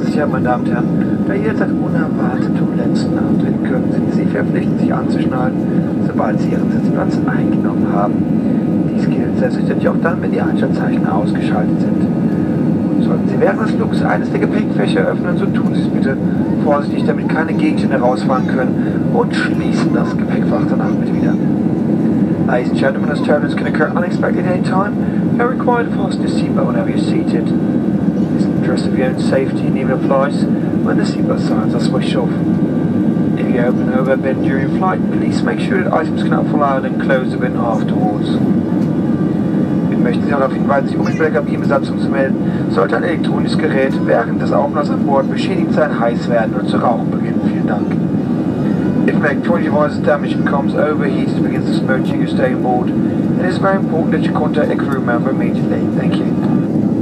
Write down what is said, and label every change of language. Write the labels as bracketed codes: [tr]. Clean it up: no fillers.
[de] Meine Damen und Herren, da jederzeit unerwartete Turbulenzen auftreten können, sind Sie verpflichtet, sich anzuschnallen, sobald Sie Ihren Sitzplatz eingenommen haben. Dies gilt selbstverständlich auch dann, wenn die Einschaltzeichen ausgeschaltet sind. Sollten Sie während des Flugs eines der Gepäckfächer öffnen, so tun Sie es bitte vorsichtig, damit keine Gegenstände rausfahren können, und schließen das Gepäckfach danach bitte wieder. [en] Ladies and gentlemen, this turbulence can occur unexpected at any time. You are required to fasten your seatbelt whenever you're seated. Interest of your own safety and even applies when the seatbelt signs are switched off. If you open an overhead bin during flight, please make sure that items cannot fall out and close the bin afterwards. [de] Wir möchten Sie darauf hinweisen, sich unmittelbar der Kabinenbesatzung zu melden, sollte ein elektronisches Gerät während des Aufenthalts an Bord beschädigt sein, heiß werden und zu rauchen beginnen. Vielen Dank. [en] If an electronic device is damaged and becomes overheated and begins to smoke during your stay on board, it is very important that you contact a crew member immediately. Thank you.